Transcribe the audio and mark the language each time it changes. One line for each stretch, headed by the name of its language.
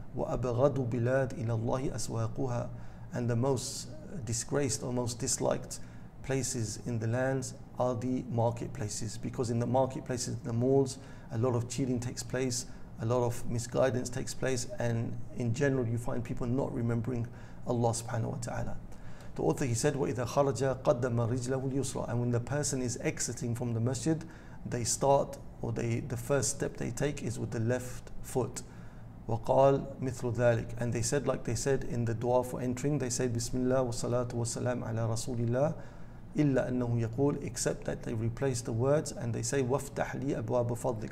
Arabic: وَأَبَغَدُ بِلَادِ إِلَى اللَّهِ أَسْوَاقُهَا,
English: and the most disgraced or most disliked places in the lands are the marketplaces, because in the marketplaces, the malls, a lot of cheating takes place, a lot of misguidance takes place, and in general you find people not remembering Allah subhanahu wa ta'ala. The author, he said,
Arabic: وَإِذَا خَرَجَ قَدَّمَ رِجْلَهُ الْيُسْرَى.
English: And when the person is exiting from the masjid, they start, or the first step they take is with the left foot.
Arabic: وَقَالْ مِثْلُ ذَلِكَ.
English: And they said, like they said in the dua for entering, they say,
Arabic: Bismillah wa salatu wa salam ala rasulillah. إِلَّا أَنَّهُ يَقُولُ,
English: except that they replace the words and they say,
Arabic: وَافْتَحْ لِي أَبْوَابَ فَضْلِكَ.